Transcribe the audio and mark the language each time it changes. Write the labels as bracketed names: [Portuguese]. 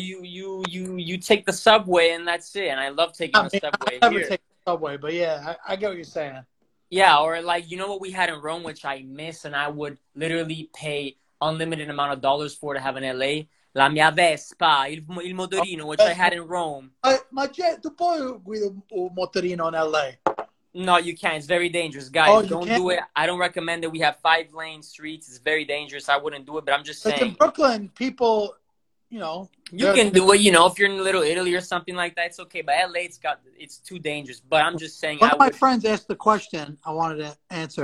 [English] You take the subway and that's it. And I love taking the subway. I never take the subway, but yeah, I get what you're saying. Yeah, or like, you know what we had in Rome, which I miss, and I would literally pay unlimited amount of dollars for to have in LA? [Italian] La mia Vespa, il motorino, [English] which I had in Rome. [Italian] Ma c'è, tu puoi guidare un motorino in LA? [English] No, you can't. It's very dangerous. Guys, don't do it. I don't recommend it. We have 5-lane streets. It's very dangerous. I wouldn't do it, but I'm just saying. In Brooklyn, people, you know. You can do it, you know, if you're in Little Italy or something like that. It's okay. But LA, it's too dangerous. But I'm just saying. One of my friends asked the question I wanted to answer.